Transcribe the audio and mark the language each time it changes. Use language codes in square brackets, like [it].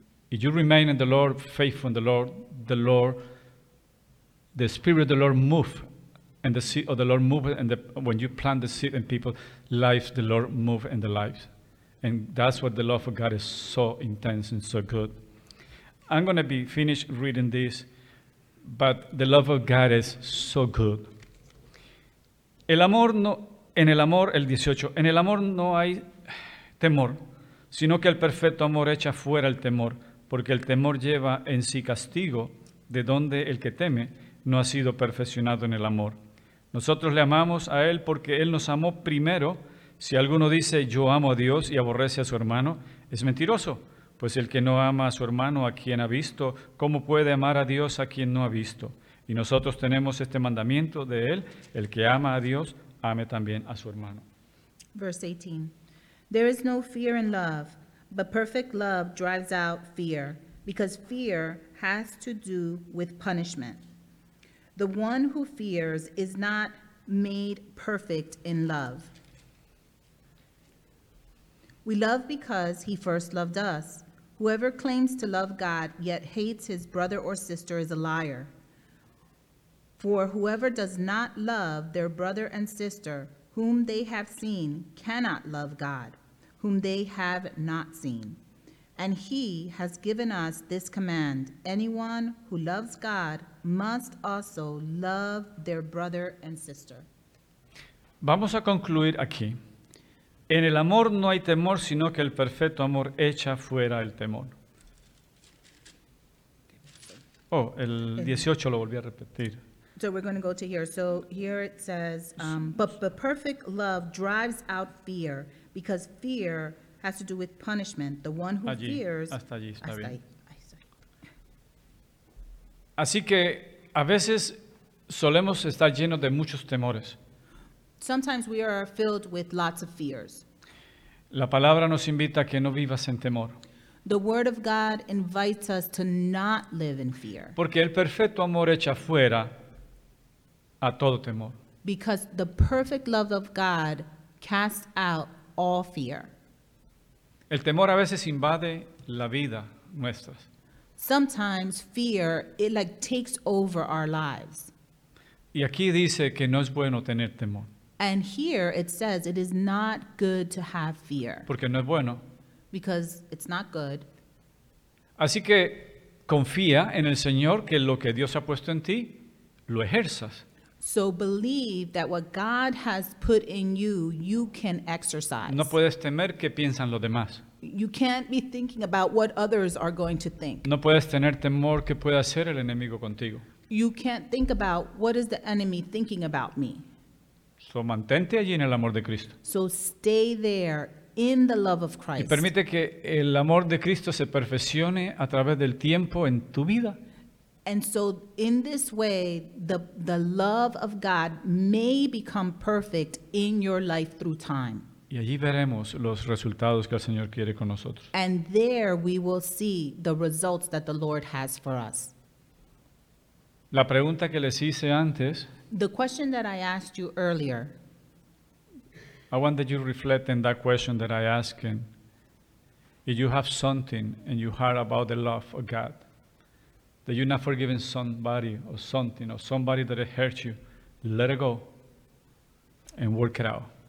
[en] If you remain in the Lord, faithful in the Lord, the Spirit of the Lord move, and the seed of the Lord move, and when you plant the seed in people's lives, the Lord move in their lives. And that's what the love of God is so intense and so good. I'm going to be finished reading this. But the love of God is so good. [es] El amor no, en el amor, el 18, en el amor no hay temor, sino que el perfecto amor echa fuera el temor, porque el temor lleva en sí castigo, de donde el que teme no ha sido perfeccionado en el amor. Nosotros le amamos a Él porque Él nos amó primero. Si alguno dice, yo amo a Dios y aborrece a su hermano, es mentiroso. Pues el que no ama a su hermano a quien ha visto, ¿cómo puede amar a Dios a quien no ha visto? Y nosotros tenemos este mandamiento de él, el que ama a Dios, ame también a su hermano. [en] Verse 18. There is no fear in love, but perfect love drives out fear, because fear has to do with punishment. The one who fears is not made perfect in love. We love because he first loved us. Whoever claims to love God yet hates his brother or sister is a liar. For whoever does not love their brother and sister whom they have seen cannot love God whom they have not seen. And he has given us this command: anyone who loves God must also love their brother and sister. [es] Vamos a concluir aquí. En el amor no hay temor, sino que el perfecto amor echa fuera el temor. Oh, el 18 lo volví a repetir. [en] So we're going to go to here. So here it says, but the perfect love drives out fear, because fear has to do with punishment. The one who [es] allí, [en] fears... [es] Hasta allí, está hasta bien. Ahí. Así que a veces solemos estar llenos de muchos temores. [en] Sometimes we are filled with lots of fears. [es] La palabra nos invita a que no vivas en temor. [en] The word of God invites us to not live in fear. [es] Porque el perfecto amor echa fuera a todo temor. [en] Because the perfect love of God casts out all fear. [es] El temor a veces invade la vida nuestra. [en] Sometimes fear, it like takes over our lives. [es] Y aquí dice que no es bueno tener temor. [en] And here it says it is not good to have fear. [es] Porque no es bueno. [en] Because it's not good. [es] Así que confía en el Señor que lo que Dios ha puesto en ti, lo ejerzas. [en] So believe that what God has put in you, you can exercise. [es] No puedes temer qué piensan los demás. [en] You can't be thinking about what others are going to think. [es] No puedes tener temor qué puede hacer el enemigo contigo. [en] You can't think about what is the enemy thinking about me. [es] So mantente allí en el amor de Cristo. [en] So stay there in the love of Christ. [es] Y permite que el amor de Cristo se perfeccione a través del tiempo en tu vida. [en] And so in this way, the love of God may become perfect in your life through time. [es] Y allí veremos los resultados que el Señor quiere con nosotros. [en] And there we will see the results that the Lord has for us. [es] La pregunta que les hice antes. [en] The question that I asked you earlier. I want that you reflect on that question that I asked. If you have something in your heart about the love of God, that you're not forgiving somebody or something or somebody that has hurt you, let it go and work it out.